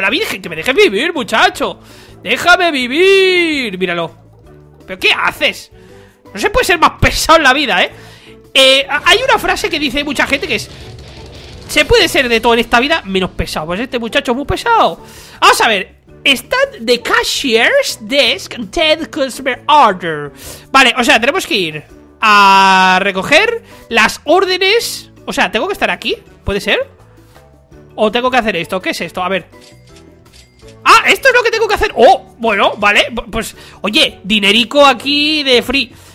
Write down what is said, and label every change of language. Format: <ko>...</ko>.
<es>¡La virgen! ¡Que me dejes vivir, muchacho! ¡Déjame vivir! ¡Míralo! ¿Pero qué haces? No se puede ser más pesado en la vida, ¿eh? Hay una frase que dice mucha gente que es... Se puede ser de todo en esta vida menos pesado. Pues este muchacho es muy pesado. Vamos a ver.</es> <en>Stand the cashier's desk and take customer order.</en> <es>Vale, o sea, tenemos que ir a recoger las órdenes. O sea, ¿tengo que estar aquí? ¿Puede ser? ¿O tengo que hacer esto? ¿Qué es esto? A ver. ¡Ah! ¡Esto es lo que tengo que hacer! ¡Oh! Bueno, vale. Pues, oye, dinerico aquí de free.</es>